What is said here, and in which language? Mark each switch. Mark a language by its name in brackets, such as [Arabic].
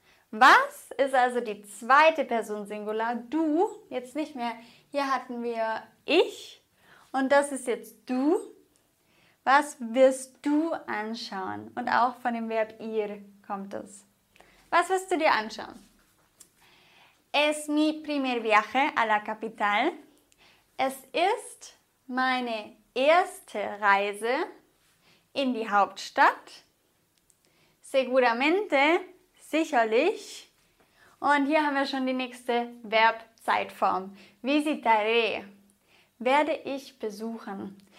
[German] Was ist also die zweite Person Singular? Du, jetzt nicht mehr. Hier hatten wir ich und das ist jetzt du. Was wirst du anschauen? Und auch von dem Verb ir kommt es. Was wirst du dir anschauen? [Spanish] Es mi primer viaje a la capital. [German] Es ist meine erste Reise in die Hauptstadt. Seguramente, sicherlich. Und hier haben wir schon die nächste Verbzeitform. Visitaré, werde ich besuchen.